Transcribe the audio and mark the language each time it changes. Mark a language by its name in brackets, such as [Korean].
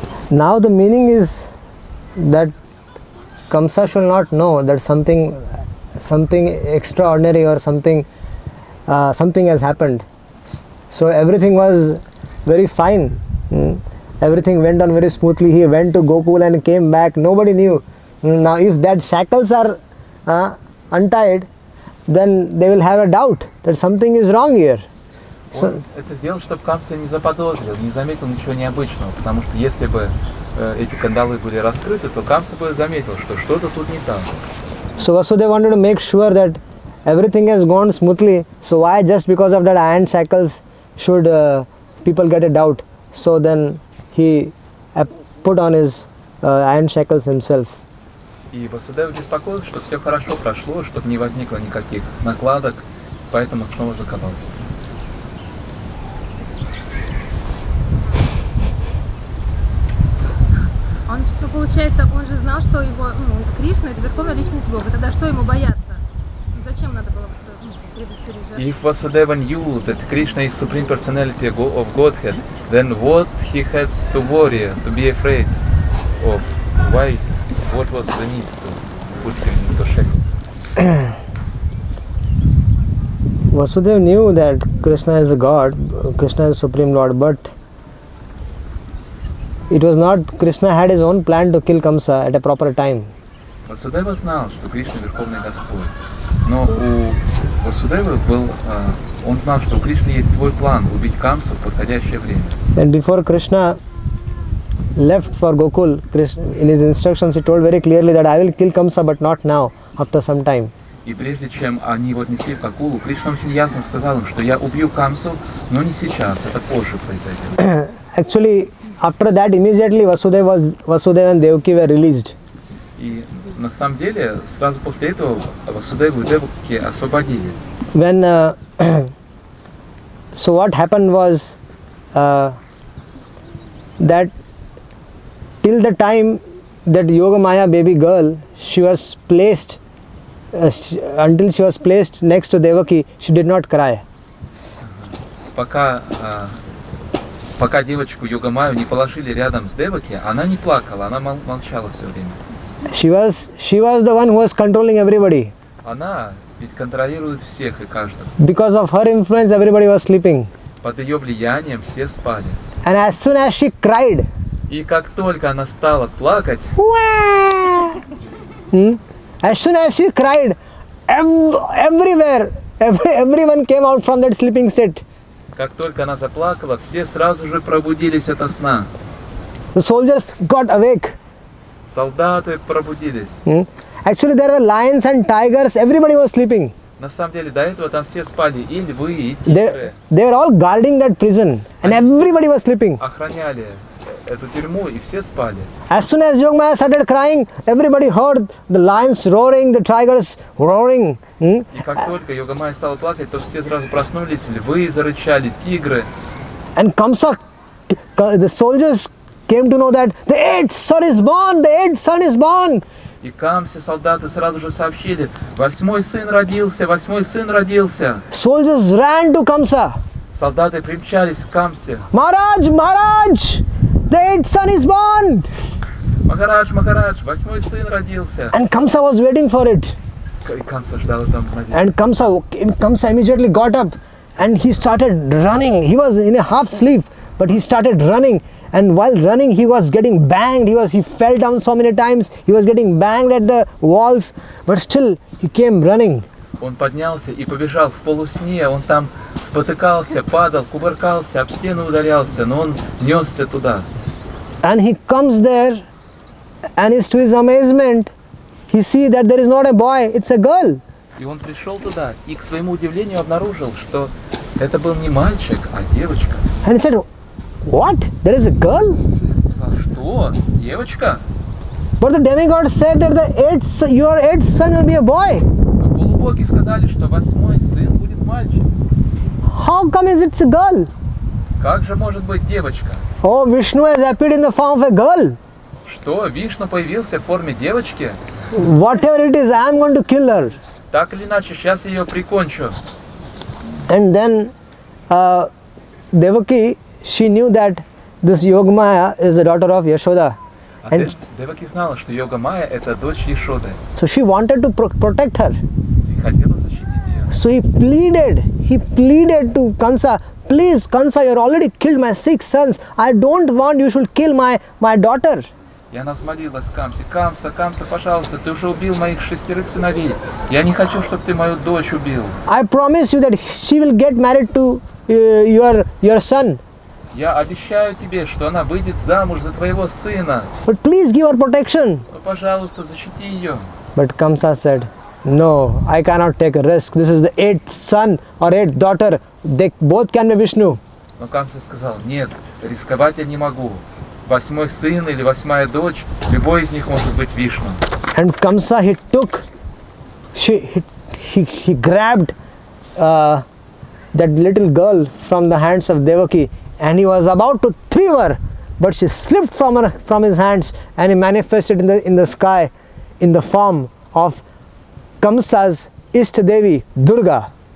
[English] Now the meaning is that Kamsa should not know that something extraordinary or something has happened. So everything was very fine. Everything went on very smoothly. He went to Gokul and came back. Nobody knew. Now if that shackles are untied, then they will have a doubt that something is wrong here. [Russian] So, он это сделал, чтобы Камса не заподозрил, не заметил ничего необычного, потому что если бы эти кандалы были раскрыты, то Камса бы заметил, что что-то тут не так. [English] So Vasudeva wanted to make sure that everything has gone smoothly. So why just because of that iron shackles should people get a doubt? So then he put on his iron shackles himself. [Russian] И Vasudeva беспокоился, что все хорошо прошло, чтобы не возникло никаких накладок, поэтому снова закатался. Он что получается, он же знал, что его, Кришна — это верховная личность Бога. Тогда что ему бояться? Зачем надо было предостерегать? [English] If Vasudeva knew that Krishna is supreme personality of Godhead, then what he had to worry, to be afraid of? Why? What was the need to put him into shackles? Vasudeva knew that Krishna is a God, Krishna is a supreme Lord, but it was not Krishna had his own plan to kill Kamsa at a proper time. [Russian] Vasudeva знал, что Кришна верховный Господь. Но у Vasudeva был он знал, что у Кришны есть свой план убить Камсу в подходящее время. [English] And before Krishna left for Gokul, Krishna, in his instructions he told very clearly that I will kill Kamsa but not now, after some time. [Russian] И прежде чем они его отнесли к акулу, Кришна очень ясно сказал им, что я убью Камсу, но не сейчас, это позже произойдет. [English] Actually, after that, immediately Vasudeva and Devaki were released. [Russian] И на самом деле, сразу после этого Васудеву и Девуки освободили. [English] When, so what happened was that till the time that Yoga Maya baby girl, she was placed, until she was placed next to Devaki, she did not cry. [Russian] Пока девочку Йога Майю не положили рядом с Деваки, она не плакала, она молчала все время. [English] She was the one who was controlling everybody. [Russian] Она ведь контролирует всех и каждого. [English] Because of her influence, everybody was sleeping. [Russian] Под ее влиянием все спали. [English] And as soon as she cried, [Russian] и как только она стала плакать, [English] as soon as she cried, everyone came out from that sleeping state. [Russian] Как только она заплакала, все сразу же пробудились ото сна. [English] The soldiers got awake. [Russian] Солдаты пробудились. [English] Actually, there were lions and tigers. Everybody was sleeping. [Russian] На самом деле, до этого там все спали, и львы, и тигры. [English] They were all guarding that prison, and everybody was sleeping. [Russian] Охраняли эту тюрьму, и все спали. [English] As soon as Yoga Maya started crying, everybody heard the lions roaring, the tigers roaring. [Russian] И как только Йога Майя стала плакать, то все сразу проснулись, львы зарычали, тигры. [English] And Kamsa, the soldiers came to know that the eighth son is born, the eighth son is born. [Russian] И Камсе солдаты сразу же сообщили, восьмой сын родился, восьмой сын родился. [English] Soldiers ran to Kamsa. [Russian] Солдаты примчались к Камсе. [English] Maharaj, Maharaj, the eighth son is born. [Russian] Maharaj, Maharaj, восьмой сын родился. [English] And Kamsa was waiting for it. [Russian] И Камса ждал там. [English] And Kamsa immediately got up and he started running. He was in a half sleep, but he started running. And while running, he was getting banged. He fell down so many times. He was getting banged at the walls, but still he came running. [Russian] Он поднялся и побежал в полусне. Он там спотыкался, падал, кувыркался, об стену ударялся, но он нёсся туда. [English] And he comes there, and is to his amazement, he see that there is not a boy, it's a girl. [Russian] И он пришёл туда и к своему удивлению обнаружил, что это был не мальчик, а девочка. [English] And he said, what? There is a girl? [Russian] Что? Девочка? [English] But the demigod said that your eighth son will be a boy. [Russian] Но полубоги сказали, что восьмой сын будет мальчик. [English] How come is it's a girl? [Russian] Как же может быть девочка? [English] Oh, Vishnu has appeared in the form of a girl. [Russian] Что? Вишну появился в форме девочки? [English] Whatever it is, I am going to kill her. [Russian] Так или иначе, сейчас я ее прикончу. [English] And then, Devaki, she knew that this Yoga Maya is the daughter of Yashoda. [Russian] And Devaki знала, что Йога Майя – это дочь Яшоды. [English] So she wanted to protect her. [Russian] И хотела защитить ее. [English] So he pleaded to Kansa, please, Kansa, you already killed my six sons. I don't want you should kill my daughter. [Russian] И она взмолилась Камсе, Камса, пожалуйста, ты уже убил моих шестерых сыновей. Я не хочу, чтобы ты мою дочь убил. [English] I promise you that she will get married to your son. [Russian] Я обещаю тебе, что она выйдет замуж за твоего сына. [English] But please give her protection. [Russian] Но, пожалуйста, защити ее. [English] But Kamsa said, no, I cannot take a risk. This is the eighth son or eighth daughter. They both can be Vishnu. [Russian] Но Камса сказал, нет, рисковать я не могу. Восьмой сын или восьмая дочь, любой из них может быть Вишну. [English] And Kamsa, he took, he grabbed that little girl from the hands of Devaki. And he was about to throw her, but she slipped from his hands, and he manifested in the sky, in the form of Kamsa's Ishtadevi Durga.